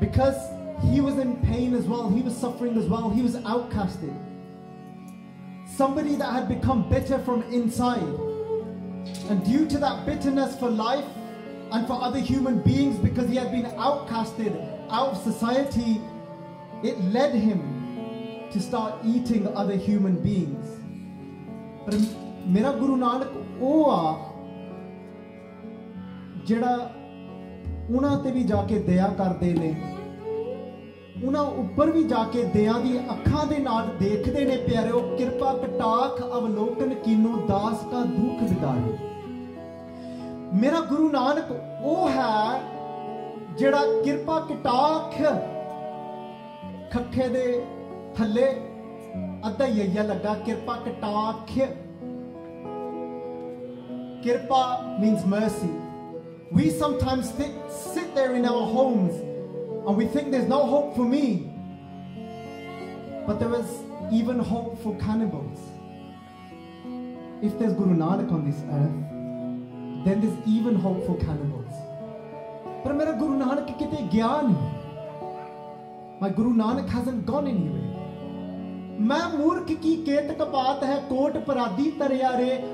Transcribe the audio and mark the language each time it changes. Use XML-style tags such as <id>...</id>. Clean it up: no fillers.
<en>Because he was in pain as well, he was suffering as well, he was outcasted. Somebody that had become bitter from inside. And due to that bitterness for life and for other human beings, because he had been outcasted out of society, it led him to start eating other human beings. But my Guru Nanak is the one</en> <pa>who is the one who is the one ਉਹਨਾਂ ਉੱਪਰ ਵੀ ਜਾ ਕੇ ਦਇਆ ਦੀ ਅੱਖਾਂ ਦੇ ਨਾਲ ਦੇਖਦੇ ਨੇ ਪਿਆਰਿਓ ਕਿਰਪਾ ਕਟਾਖ ਅਵਲੋਕਨ ਕੀਨੋ ਦਾਸ ਕਾ ਦੁੱਖ ਵਿਦਾਰੇ ਮੇਰਾ ਗੁਰੂ ਨਾਨਕ ਉਹ ਹੈ ਜਿਹੜਾ ਕਿਰਪਾ ਕਟਾਖ ਖੱਖੇ ਦੇ ਥੱਲੇ ਅੱਧਾ ਯਈਆ ਲੱਗਾ ਕਿਰਪਾ ਕਟਾਖ ਕਿਰਪਾ</pa> <en>Means mercy we sometimes sit there in our homes And we think there's no hope for me. But there was even hope for cannibals. If there's Guru Nanak on this earth, then there's even hope for cannibals. But my Guru Nanak is not gone. My Guru Nanak hasn't gone anywhere.</en> <pa>Main murkh ki ket ka baat hai kot paradi tarayare.</pa>